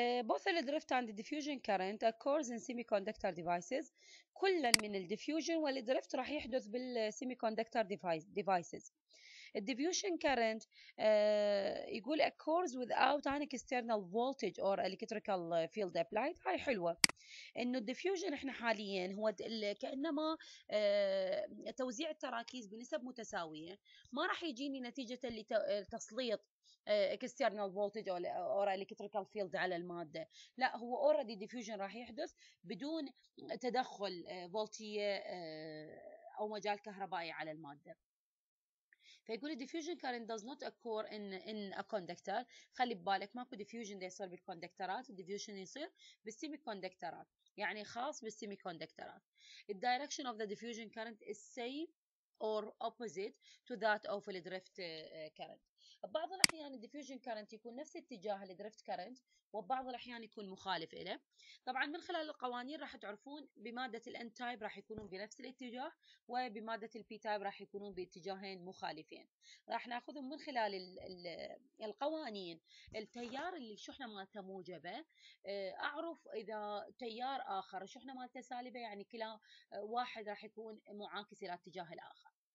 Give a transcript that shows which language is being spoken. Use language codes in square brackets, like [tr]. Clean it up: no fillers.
[en] Both the drift and the diffusion current occurs in semiconductor devices. [ar] كل من الديفيوجن والدريفت راح يحدث بالسيميكوندكتور ديفايسز. [en] الديفيوجن كارنت يقول occurs without any external voltage or electrical field applied. [ar] هاي حلوة إنه الديفيوجن إحنا حاليا هو كأنما توزيع التراكيز بنسب متساوية، ما راح يجيني نتيجة لتسليط external voltage or electrical field على المادة، لا هو already diffusion راح يحدث بدون تدخل فولتية أو مجال كهربائي على المادة. [en] فيقول الديفيوجن current does not occur in a conductor. [ar] خلي ببالك ماكو ديفيوجن يصير بالكوندكترات، الديفيوجن يصير بالسيمي كوندكترات، يعني خاص بالسيمي كوندكترات. [en] الدايركشن of the diffusion current is same or opposite to that of the drift current. [ar] بعض الأحيان diffusion current يكون نفس اتجاه the drift current، وبعض الأحيان يكون مخالف إليه. طبعاً من خلال القوانين راح تعرفون بمادة ال N type راح يكونون بنفس الاتجاه، وبمادة ال P type راح يكونون باتجاهين مخالفين. راح نأخذهم من خلال القوانين. التيار اللي شحنة مالته موجبة أعرف إذا تيار آخر شحنة مالته سالبة، يعني كلا واحد راح يكون معاكس إلى اتجاه الآخر.